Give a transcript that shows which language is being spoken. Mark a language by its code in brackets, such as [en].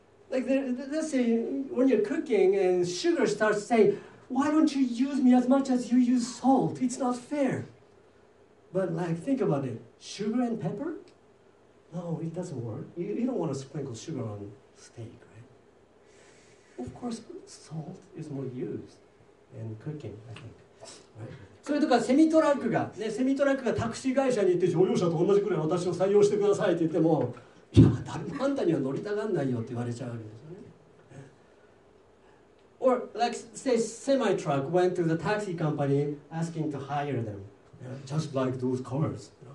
[en] Like let's say when you're cooking and sugar starts saying why don't you use me as much as you use salt, it's not fair. But like think about it, sugar and pepperNo, it doesn't work. You don't want to sprinkle sugar on steak, right? Of course, salt is more used in cooking, I think. Right? [ja] それとかセミトラックが、ね、セミトラックがタクシー会社に行って乗用車と同じくらい私を採用してくださいって言っても、いや、誰もあんたには乗りたがんないよって言われちゃうわけですよね。 [en] Or, like, say, semi-truck went to the taxi company asking to hire them, just like those cars.